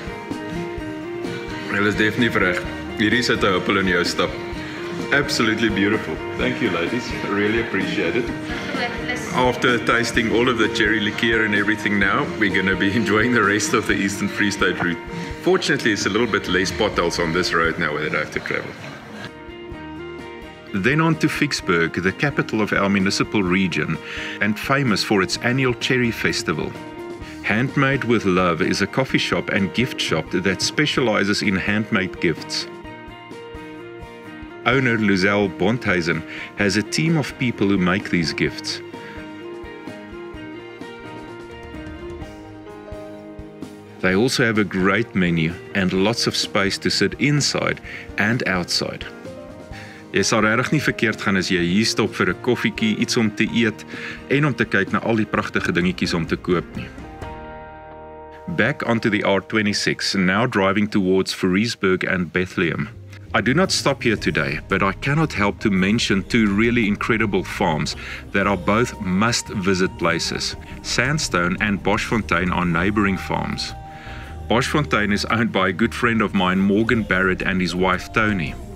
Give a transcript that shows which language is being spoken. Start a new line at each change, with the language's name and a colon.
Afrikaans: Hulle is definitief reg. Hierdie sit 'n huppel in jou stap.
English: Absolutely beautiful. Thank you, ladies. I really appreciate it. After tasting all of the cherry liqueur and everything now, we're going to be enjoying the rest of the Eastern Free State route. Fortunately, it's a little bit less potholes on this road now where they have to travel. Then on to Ficksburg, the capital of our municipal region and famous for its annual cherry festival. Handmade with Love is a coffee shop and gift shop that specializes in handmade gifts. Owner Luzelle Bonthuizen has a team of people who make these gifts. They also have a great menu and lots of space to sit inside and outside.
Afrikaans: Jy sal regtig nie verkeerd gaan as jy hier stop vir 'n koffietjie, iets om te eet en om te kyk na al die pragtige dingetjies om te koop nie.
English: Back onto the R26, now driving towards Fariesburg and Bethlehem. I do not stop here today, but I cannot help to mention two really incredible farms that are both must-visit places. Sandstone and Boschfontein are neighboring farms. Boschfontein is owned by a good friend of mine, Morgan Barrett, and his wife, Tony.